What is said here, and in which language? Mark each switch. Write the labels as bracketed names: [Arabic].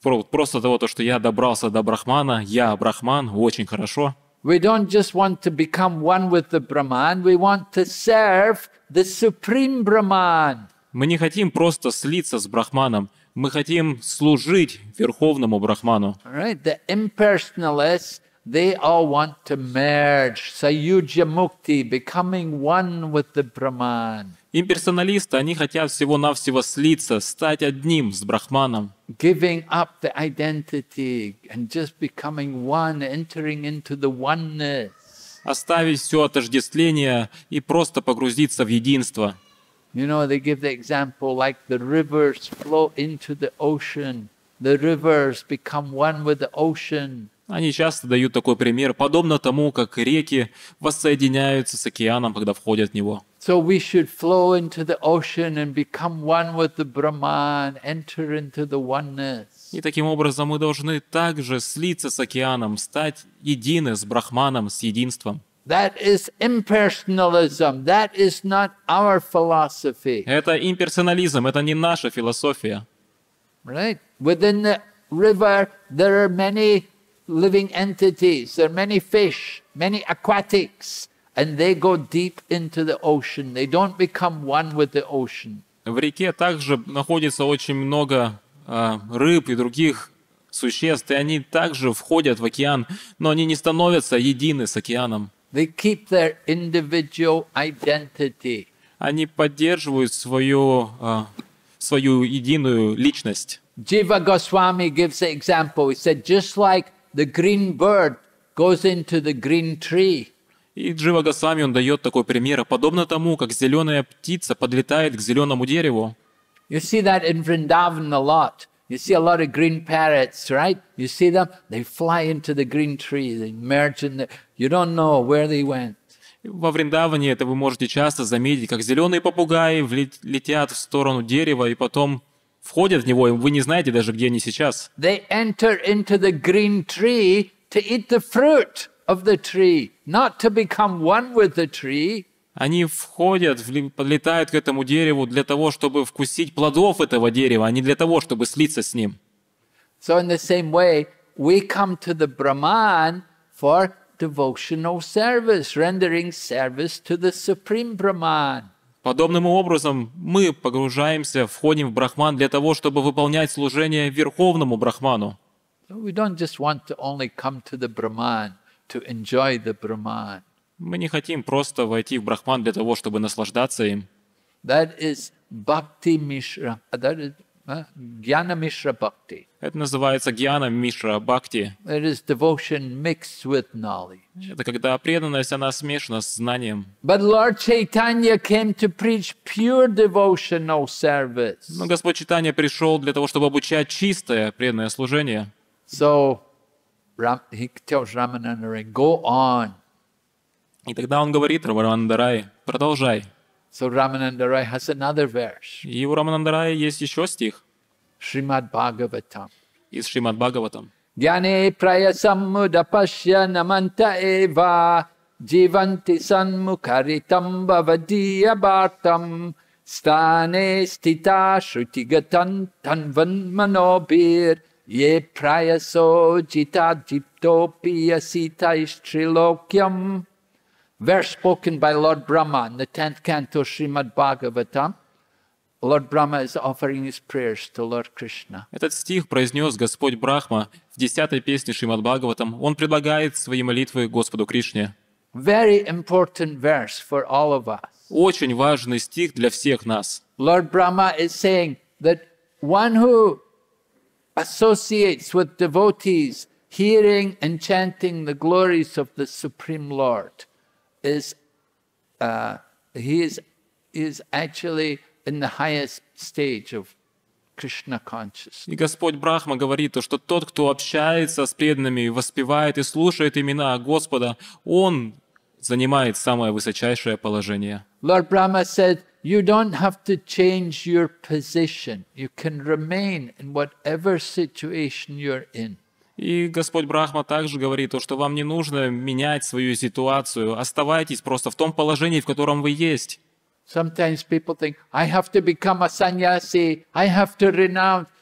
[Russian] Просто того, что я добрался до Брахмана, я Брахман, очень хорошо. [English] We don't just want to become one with the Brahman, we want to serve the Supreme Brahman. [Russian] Мы не хотим просто слиться с Брахманом, мы хотим служить Верховному Брахману. [English] All right, the impersonalists, they all want to merge, Sayujya Mukti, becoming one with the Brahman. [Russian] Имперсоналисты, они хотят всего-навсего слиться, стать одним с Брахманом. [English] Giving up the identity and just becoming one, entering into the oneness. [Russian] Оставить все отождествление и просто погрузиться в единство. [English] You know, they give the example like the rivers flow into the ocean. The rivers become one with the ocean. [Russian] Они часто дают такой пример, подобно тому, как реки воссоединяются с океаном, когда входят в него. [English] So we should flow into the ocean and become one with the Brahman, enter into the oneness. [Russian] И таким образом мы должны также слиться с океаном, стать едины с Брахманом, с единством. [English] That is impersonalism. That is not our philosophy. [Russian] Это имперсонализм, это не наша философия. [English] Right? Within the river there are many living entities, there are many fish, many aquatics. And they go deep into the ocean. They don't become one with the ocean. [Russian] В реке также находится очень много рыб и других существ, и они также входят в океан, но они не становятся едины с океаном. [English] They keep their individual identity. [Russian] Они поддерживают свою единую личность. [English] Jiva Goswami gives the example. He said, just like the green bird goes into the green tree. [Russian] И Джива Госвами, он дает такой пример. Подобно тому, как зеленая птица подлетает к зеленому дереву. [English] You see that in Vrindavan a lot. You see a lot of green parrots, right? You see them, they fly into the green tree, they merge in the... You don't know where they went. [Russian] Во Вриндаване это вы можете часто заметить, как зеленые попугаи летят в сторону дерева и потом входят в него, и вы не знаете даже, где они сейчас. [English] They enter into the green tree to eat the fruit of the tree, not to become one with the tree. [Russian] Они входят, подлетают к этому дереву для того, чтобы вкусить плодов этого дерева, а не для того, чтобы слиться с ним. [English] So in the same way, we come to the Brahman for devotional service, rendering service to the Supreme Brahman. [Russian] Подобным образом мы погружаемся, входим в Брахман для того, чтобы выполнять служение Верховному Брахману. [English] So we don't just want to only come to the Brahman to enjoy the Brahman. [Russian] Мы не хотим просто войти в Брахман для того, чтобы наслаждаться им. [English] That is bhakti mishra. That is gyana mishra bhakti. [Russian] Это называется гьяна мишра бхакти. [English] It is devotion mixed with knowledge. [Russian] Это когда преданность она смешана с знанием. [English] But Lord Chaitanya came to preach pure devotional service. [Russian] Но Господь Чайтанья пришел для того, чтобы обучать чистое преданное служение. [English] So he tells Ramanandarai, go on. [Russian] И тогда он говорит Раманандарай, продолжай. [English] So Ramanandarai has another verse. [Russian] И у Раманандарай есть еще стих. Шримад Бхагаватам. Из Шримад Бхагаватам. [Sanskrit] Гьяне прая саммуда пасья наманта эва Дживанти санмукаритам бавадия бартам Стане стита шрути гатан танван манобир Ye prayaso jita jipto piyasita ishtrilokyam. [English] Verse spoken by Lord Brahma in the 10th canto Srimad Bhagavatam. Lord Brahma is offering his prayers to Lord Krishna. [Russian] Этот стих произнес Господь Брахма в 10-й песне Шримад Бхагаватам. Он предлагает свои молитвы Господу Кришне. [English] Very important verse for all of us. [Russian] Очень важный стих для всех нас. [English] Lord Brahma is saying that one who associates with devotees, hearing and chanting the glories of the Supreme Lord, is actually in the highest stage of Krishna consciousness. [Russian] И Господь Брахма говорит то, что тот, кто общается с преданными, воспевает и слушает имена Господа, он занимает самое высочайшее положение. [English] Lord Brahma said, you don't have to change your position. You can remain in whatever situation you're in. [Russian] И Господь Брахма также говорит то, что вам не нужно менять свою ситуацию. Оставайтесь просто в том положении, в котором вы есть. [English] Sometimes people think, I have to become a sannyasi, I have to renounce.